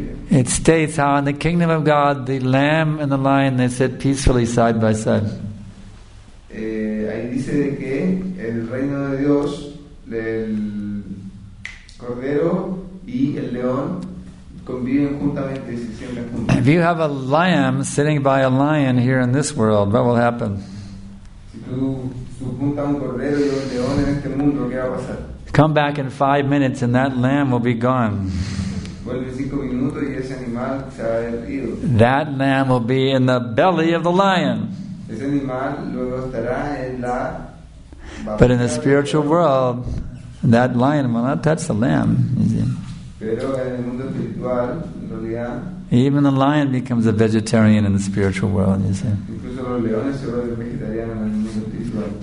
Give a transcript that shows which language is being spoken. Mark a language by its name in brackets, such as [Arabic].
[English] It states how in the kingdom of God, the lamb and the lion, they sit peacefully side by side. [Spanish] Ahí dice de que el reino de Dios, el cordero y el león conviven juntamente, se sientan juntos. [English] If you have a lamb sitting by a lion here in this world, what will happen? [Spanish] Si tú juntas un cordero y un león en este mundo, ¿qué va a pasar? [English] Come back in 5 minutes and that lamb will be gone. [Spanish] Vuelve 5 minutos y ese animal se ha ido. [English] That lamb will be in the belly of the lion. [Spanish] Ese animal luego estará en la... [English] But in the spiritual world, that lion will not touch the lamb. [Spanish] Pero en el mundo espiritual, en realidad, [English] even the lion becomes a vegetarian in the spiritual world, you see. [Spanish] Incluso los leones se vuelven vegetarianos en el mundo espiritual.